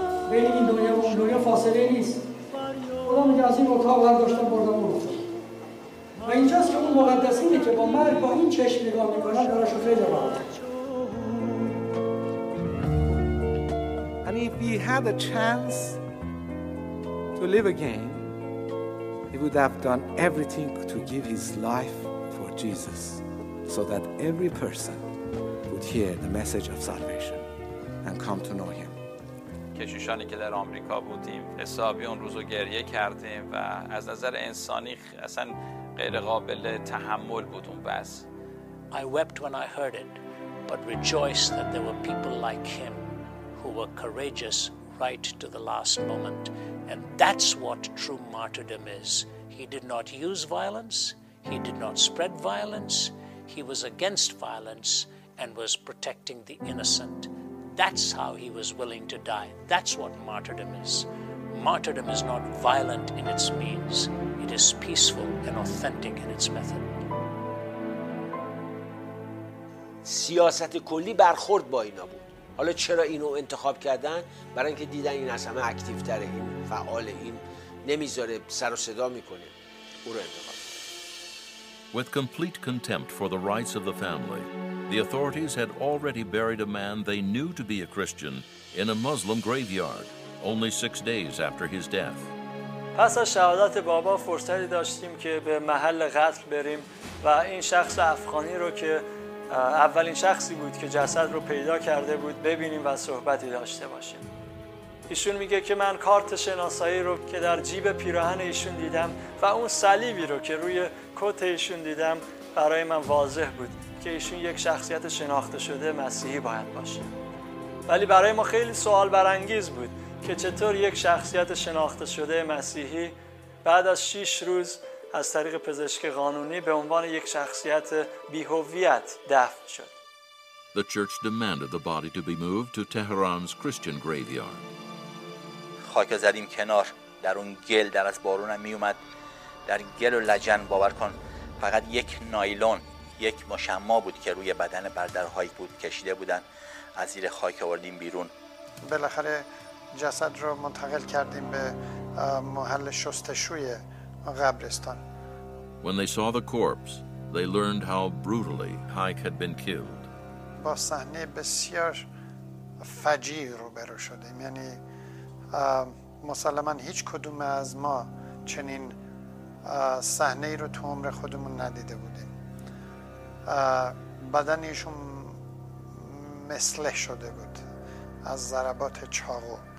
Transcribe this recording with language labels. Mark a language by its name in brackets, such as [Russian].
[Persian] بین این دنیا و اون دنیا فاصله نیست. خدا میگه از این اتاق برداشتم بردم اون اتاق. و اینجاست که اون مقدسینه که با مرگ با این چشم نگاه میکنن براش رو خیلی باید. [English] And if he had a chance to live again, he would have done everything to give his life for Jesus so that every person would hear the message of salvation and come to know him. [Persian] کشیشانی که در آمریکا بودیم حسابی اون روزو گریه کردیم و از نظر انسانی اصلا غیر قابل تحمل بود اون بس. [English] I wept when I heard it, but rejoiced that there were people like him who were courageous right to the last moment. And that's what true martyrdom is. He did not use violence. He did not spread violence. He was against violence and was protecting the innocent. That's how he was willing to die. That's what martyrdom is. Martyrdom is not violent in its means. It is peaceful and authentic in its method. [Persian] سیاست کلی برخورد با اینا بود. حالا چرا اینو انتخاب کردن؟ برای اینکه دیدن این از همه اکتیو تره، این فعال، این نمیذاره سر و صدا میکنه. او رو انتخاب کرد. [English] With complete contempt for the rights of the family, the authorities had already buried a man they knew to be a Christian in a Muslim graveyard only 6 days after his death. [Persian] پس از شهادت بابا فرصتی داشتیم که به محل قتل بریم و این شخص افغانی رو که اولین شخصی بود که جسد رو پیدا کرده بود ببینیم و صحبتی داشته باشیم. ایشون میگه که من کارت شناسایی رو که در جیب پیراهن ایشون دیدم و اون صلیبی رو که روی کت ایشون دیدم برای من واضح بود که ایشون یک شخصیت شناخته شده مسیحی باید باشه. ولی برای ما خیلی سوال برانگیز بود که چطور یک شخصیت شناخته شده مسیحی بعد از 6 روز از طریق پزشک قانونی به عنوان یک شخصیت بی‌هویت دفن شد. [English] The church demanded the body to be moved to Tehran's Christian graveyard. [Persian] خاک زدیم کنار، در اون گل، در از بارونم میومد، در گل و لجن. باور کن فقط یک نایلون، یک مشما بود که روی بدن برادر هایک بود کشیده بودن، از زیر خاک آوردیم بیرون. بالاخره جسد رو منتقل کردیم به محل شستشوی قبرستان. [English] When they saw the corpse, they learned how brutally Hike had been killed. [Persian] با صحنه بسیار فجیع روبرو شدیم. یعنی مسلماً هیچ کدوم از ما چنین صحنه‌ای رو تو عمر خودمون ندیده بودیم. بدنشون مسله شده بود از ضربات چاقو.